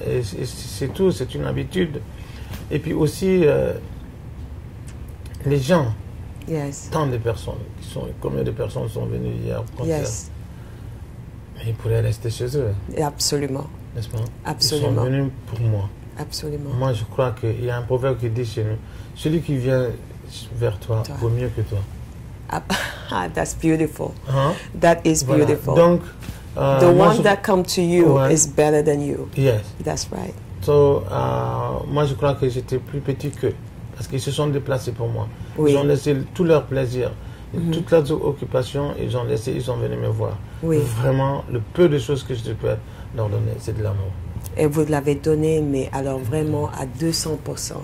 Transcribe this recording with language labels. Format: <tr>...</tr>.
<fr>Et c'est tout, c'est une habitude. Et puis aussi, les gens, tant de personnes, combien de personnes sont venues hier au concert, mais ils pourraient rester chez eux. Absolument. N'est-ce pas? Absolument. Ils sont venus pour moi. Absolument. Moi, je crois qu'il y a un proverbe qui dit chez nous, celui qui vient vers toi vaut mieux que toi.</fr> <en>That's beautiful. That is beautiful.</en> <fr>Voilà. Donc,</fr> <en>the one that comes to you is better than you. Yes. That's right.</en> <fr>So, moi, je crois que j'étais plus petit qu'eux. Parce qu'ils se sont déplacés pour moi. Oui. Ils ont laissé tout leur plaisir, toutes leurs occupations, ils sont venus me voir. Oui. Vraiment, le peu de choses que je peux leur donner, c'est de l'amour. Et vous l'avez donné, mais alors vraiment à 200%.</fr>